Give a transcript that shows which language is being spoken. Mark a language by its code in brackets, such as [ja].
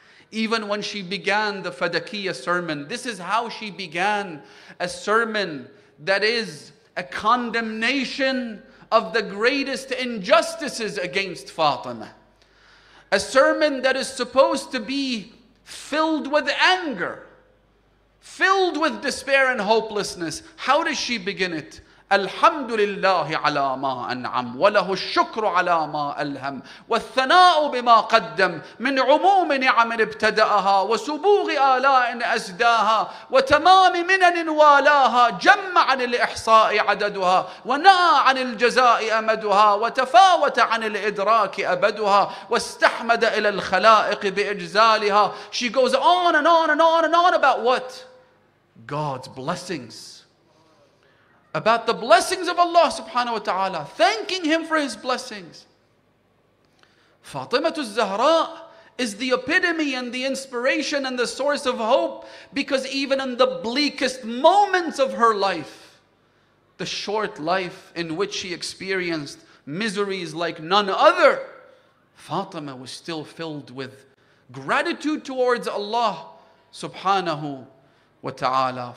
[en] Even when she began the Fadakiyya sermon, this is how she began a sermon that is a condemnation of the greatest injustices against Fatima. A sermon that is supposed to be filled with anger, filled with despair and hopelessness. How does she begin it? [ar] الحمد لله على ما أنعم وله الشكر على ما ألهم والثناء بما قدم من عموم نعم ابتدأها وسبوغ آلاء أسداها وتمام منن والاها جمع عن الإحصاء عددها وناء عن الجزاء أمدها وتفاوت عن الإدراك أبدها واستحمد إلى الخلائق بإجزالها. [en] She goes on and on and on and on about what? God's blessings. About the blessings of Allah subhanahu wa ta'ala, thanking Him for His blessings. Fatimah Zahra is the epitome and the inspiration and the source of hope, because even in the bleakest moments of her life, the short life in which she experienced miseries like none other, Fatima was still filled with gratitude towards Allah subhanahu wa ta'ala.